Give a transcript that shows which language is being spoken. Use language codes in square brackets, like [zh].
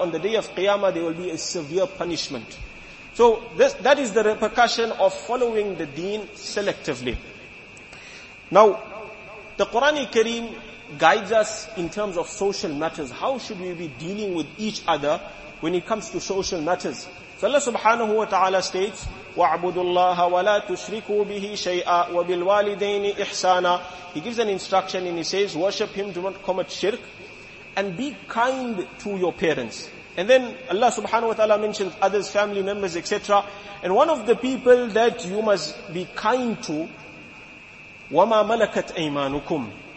[en] On the day of Qiyamah, there will be a severe punishment. So that is the repercussion of following the deen selectively. Now, the Quran Kareem guides us in terms of social matters. How should we be dealing with each other when it comes to social matters? So Allah subhanahu wa ta'ala states, [ar] وَعْبُدُ اللَّهَ وَلَا تُشْرِكُوا بِهِ شَيْئًا وَبِالْوَالِدَيْنِ إِحْسَانًا. [en] He gives an instruction and he says, worship him, do not commit shirk, and be kind to your parents. And then Allah subhanahu wa ta'ala mentions others, family members, etc. And one of the people that you must be kind to, [ar] وَمَا مَلَكَتْ أَيْمَانُكُمْ.